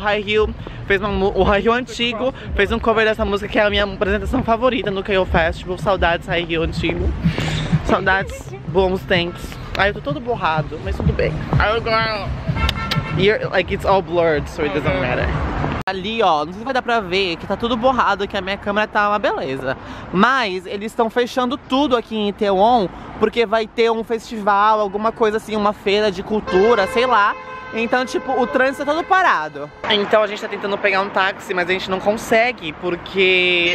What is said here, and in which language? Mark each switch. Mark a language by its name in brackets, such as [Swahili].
[Portuguese] O High Heel fez o High Heel antigo fez um cover dessa música que é a minha apresentação favorita no K.O. Festival. Saudades, High Heel antigo. Saudades, bons tempos. Ai, eu tô todo borrado, mas tudo bem. [English] I look around. You're like, it's all blurred, so it doesn't matter. [Portuguese] Ali, ó, não sei se vai dar pra ver, que tá tudo borrado, que a minha câmera tá uma beleza. Mas eles estão fechando tudo aqui em Itaewon, porque vai ter um festival, alguma coisa assim, uma feira de cultura, sei lá. Então, tipo, o trânsito tá todo parado. Então a gente tá tentando pegar um táxi, mas a gente não consegue, porque...